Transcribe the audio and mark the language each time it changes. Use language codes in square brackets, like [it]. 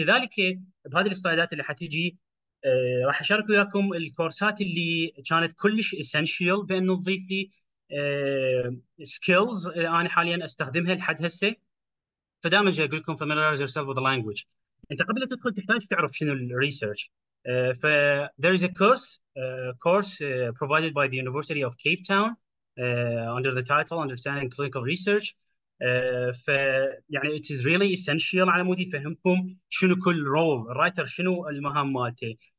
[ar] لذلك بهذه السلايدات اللي حتيجي راح أشارك وياكم الكورسات اللي كانت كلش essential بأنه تضيف لي skills أنا حاليا أستخدمها لحد هسه. فدائما جاي أقول لكم [en] familiarize yourself with the language. [ar] انت قبل لا تدخل تحتاج تعرف شنو الريسيرش. [en] ف there is a course provided by the University of Cape Town under the title Understanding Clinical Research. [ar] ف يعني [en] it is really essential [ar] على مود يفهمكم شنو كل رول الرايتر، شنو المهام مالته.